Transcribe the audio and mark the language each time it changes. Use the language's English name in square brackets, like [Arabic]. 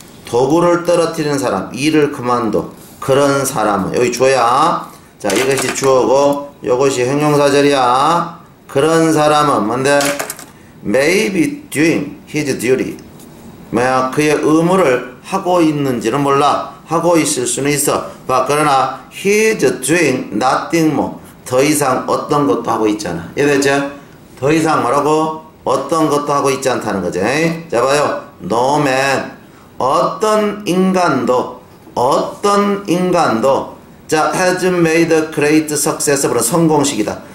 [Korean] 도구를 떨어뜨리는 사람, 일을 그만둬. 그런 사람은, 여기 주어야. 자, 이것이 주어고, 이것이 형용사절이야. 그런 사람은 뭔데? [English] May be doing his duty. [Korean] 뭐야, 그의 의무를 하고 있는지는 몰라. 하고 있을 수는 있어. 봐, 그러나 [English] he's doing nothing more. [Korean] 더 이상 어떤 것도 하고 있잖아. 이해됐죠? 더 이상 뭐라고? 어떤 것도 하고 있지 않다는 거지. 자, 봐요. [English] No man. [Korean] 어떤 인간도, 어떤 인간도, 자, [English] has made a great success. [Korean] 바로 성공식이다.